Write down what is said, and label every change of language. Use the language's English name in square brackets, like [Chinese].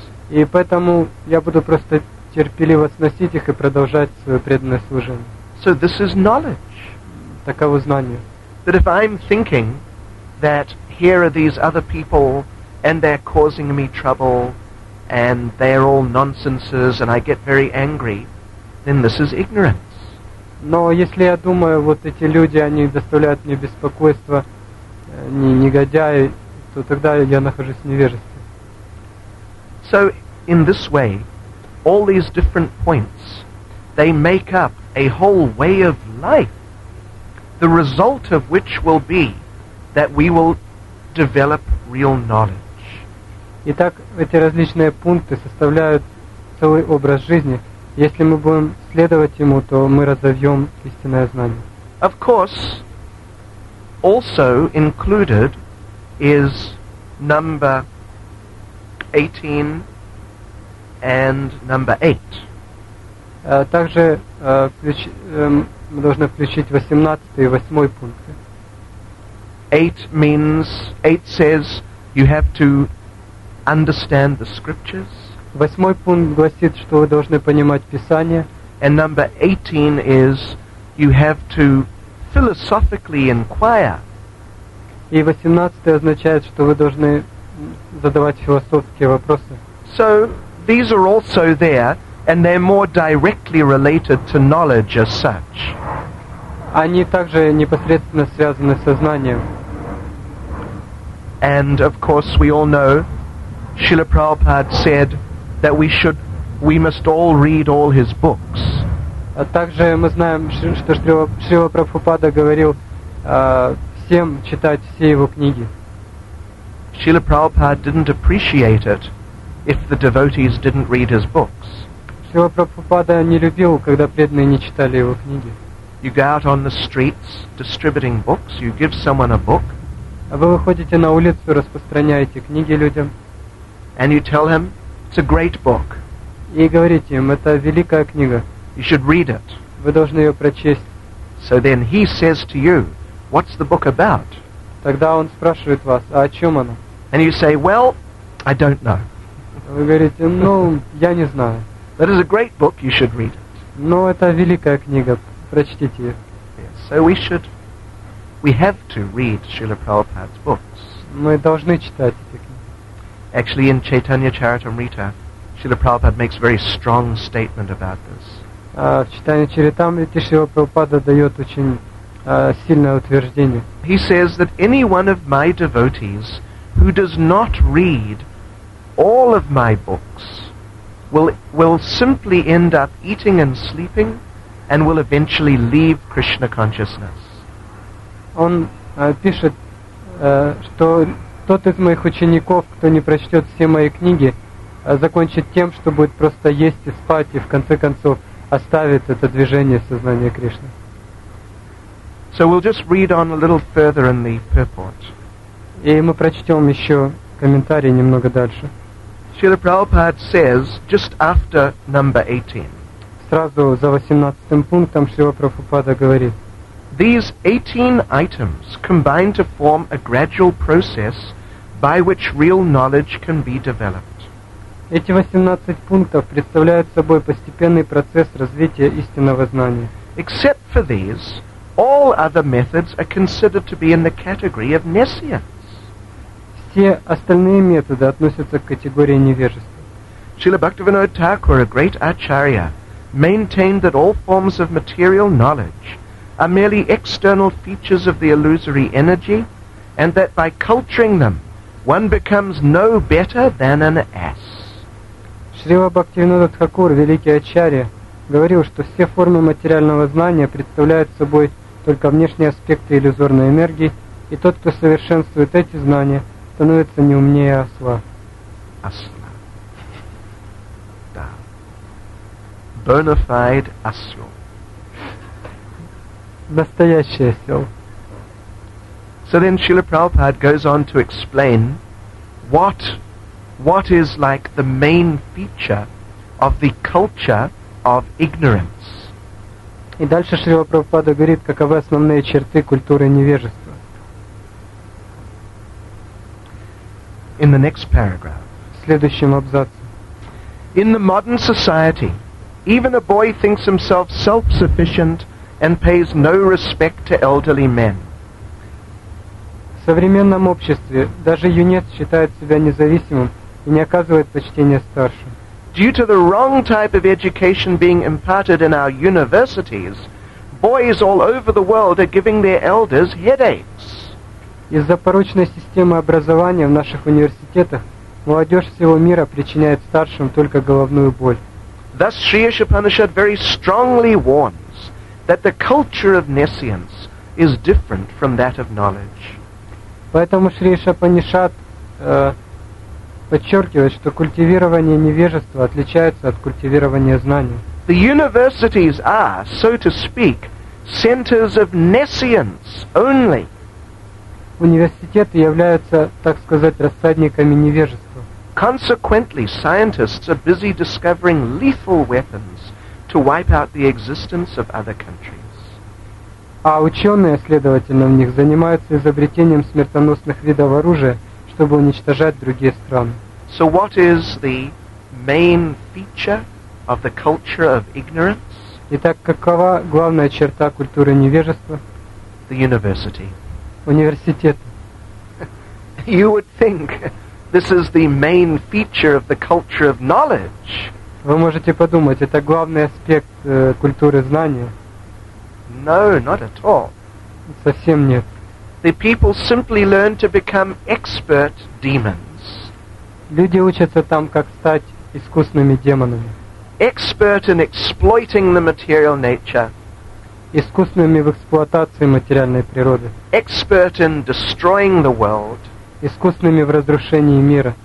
[Russian] И поэтому я буду просто терпеливо сносить их и продолжать свое преданное служение. [English] So this is knowledge. [Russian] Таково знание. [English] That if I'm thinking that here are these other people and they're causing me trouble and they're all nonsenses and I get very angry, then this is ignorance. [Russian] Но если я думаю, вот эти люди, они доставляют мне беспокойство, они негодяи, то тогда я нахожусь в невежестве. [English] So in this way, all these different points, they make up a whole way of life, the result of which will be that we will develop real knowledge. [Russian] Итак, эти различные пункты составляют целый образ жизни. Если мы будем следовать ему, то мы разовьем истинное знание. [English] Of course, also included is number 18 and number 8. [Russian] Также мы должны включить 18 и 8 пункты. [English] 8 means, 8 says you have to understand the scriptures. [Russian] Восьмой пункт гласит, что вы должны понимать Писание. [English] And number 18 is you have to philosophically inquire. [Russian] И 18 означает, что вы должны задавать философские вопросы. [English] So these are also there, and they're more directly related to knowledge as such. [Russian] Они также непосредственно связаны со знанием. [English] And of course we all know Srila Prabhupada said that we must all read all his books. [Russian] А также мы знаем, что Шрила Прабхупада говорил всем читать все его книги. [English] Srila Prabhupada didn't appreciate it if the devotees didn't read his books. [Russian] Шрила Прабхупада не любил, когда преданные не читали его книги. [English] You go out on the streets distributing books, you give someone a book. [Russian] Вы выходите на улицу, распространяете книги людям. [English] And you tell him, it's a great book. [Russian] И говорите им, это великая книга. [English] You should read it. [Russian] Вы должны ее прочесть. [English] So then he says to you, what's the book about? [Russian] Тогда он спрашивает вас, а о чем оно? [English] And you say, well, I don't know. [Russian] Вы говорите, ну, я не знаю. [English] That is a great book, you should read it. [Russian] Но это великая книга, прочтите ее. [English] So we should... We have to read Srila Prabhupada's books. [Russian] Мы должны читать эти книги. [English] Actually, in Chaitanya Charitamrita, Srila Prabhupada makes a very strong statement about this. [Russian] В Чайтанья Чаритамрите Шрила Прабхупада дает очень сильное утверждение. [English] He says that any one of my devotees who does not read all of my books will simply end up eating and sleeping and will eventually leave Krishna consciousness. [Russian] Он пишет, что тот из моих учеников, кто не прочтет все мои книги, закончит тем, что будет просто есть и спать, и в конце концов оставит это движение сознания Кришны. [English] So we'll just read on a little further in the purport. [Russian] И мы прочтем еще комментарий немного дальше. [English] Srila Prabhupada says, just after number 18. [Russian] Сразу за 18 пунктом Шрила Прабхупада говорит, [English] these 18 items combine to form a gradual process by which real knowledge can be developed. [Russian] Эти 18 пунктов представляют собой постепенный процесс развития истинного знания. [English] Except for these, all other methods are considered to be in the category of nescience. [Russian] Все остальные методы относятся к категории невежества. [English] Srila Bhaktivinoda Thakur, a great acharya, maintained that all forms of material knowledge are merely external features of the illusory energy, and that by culturing them, one becomes no better than an ass. [Russian] Шрила Бхактивинода Тхакур, великий ачарья, говорил, что все формы материального знания представляют собой только внешние аспекты иллюзорной энергии, и тот, кто совершенствует эти знания, становится не умнее осла. Асла. Да. Бонафайд асло. Настоящий осел. [English] So then Srila Prabhupada goes on to explain what is like the main feature of the culture of ignorance. [Russian] И дальше Шрила Прабхупада говорит, каковы основные черты культуры невежества. [English] In the next paragraph. [Russian] В следующем абзаце. [English] In the modern society, even a boy thinks himself self-sufficient and pays no respect to elderly men. [Russian] В современном обществе даже юнец считает себя независимым и не оказывает почтения старшим. [English] Due to the wrong type of education being imparted in our universities, boys all over the world are giving their elders headaches. [Russian] Из-за порочной системы образования в наших университетах молодежь всего мира причиняет старшим только головную боль. [English] Thus Sri Upanishad very strongly warns that the culture of nescience is different from that of knowledge. [Russian] Поэтому Шри Шапанишат подчеркивает, что культивирование невежества отличается от культивирования знания. [English] The universities are, so to speak, centers of nescience only. [Russian] Университеты являются, так сказать, рассадниками невежества. [English] Consequently, scientists are busy discovering lethal weapons to wipe out the existence of other countries. [Russian] А ученые, следовательно, в них занимаются изобретением смертоносных видов оружия, чтобы уничтожать другие страны. [English] So what is the main feature of the culture of ignorance? [Russian] Итак, какова главная черта культуры невежества? [English] The university. [Russian] Университет. [English] You would think this is the main feature of the culture of knowledge. [Russian] Вы можете подумать, это главный аспект культуры знания. [English] No, not at all. [Russian] Совсем нет. [English] The people simply learn to become expert demons. [Russian] Люди учатся там, как стать искусными демонами. [English] Expert in exploiting the material nature. [Russian] Искусными в эксплуатации материальной природы. [English] Expert in destroying the world. [Russian] Искусными в разрушении мира.